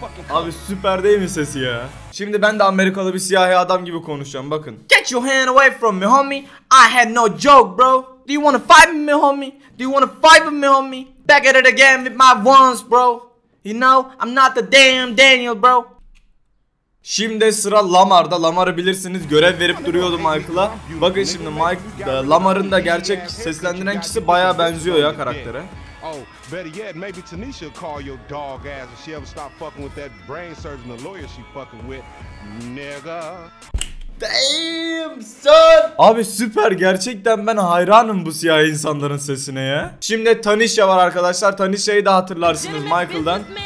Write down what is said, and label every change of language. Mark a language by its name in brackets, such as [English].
[Turkish] Abi süper değil mi sesi ya? Şimdi ben de Amerikalı bir siyahi adam gibi konuşacağım, bakın. [English] Get your hand away from me homie. I had no joke bro. Do you wanna fight with me homie? Do you wanna fight with me homie? Back at it again with my ones bro. You know I'm not the damn Daniel bro. [Turkish] Şimdi sıra Lamar'da. Lamar'ı bilirsiniz, görev verip duruyordu Michael'a. Bakın şimdi Mike, Lamar'ın da gerçek seslendiren kişisi bayağı benziyor ya karaktere. [English] Oh, better yet, maybe Tanisha call your dog ass if she ever stop fucking with that brain surgeon, the lawyer she fucking with, nigga. Damn, son! [Turkish] Abi süper, gerçekten ben hayranım bu siyah insanların sesine ya. Şimdi Tanisha var arkadaşlar, Tanisha'yı da hatırlarsınız Michael'dan.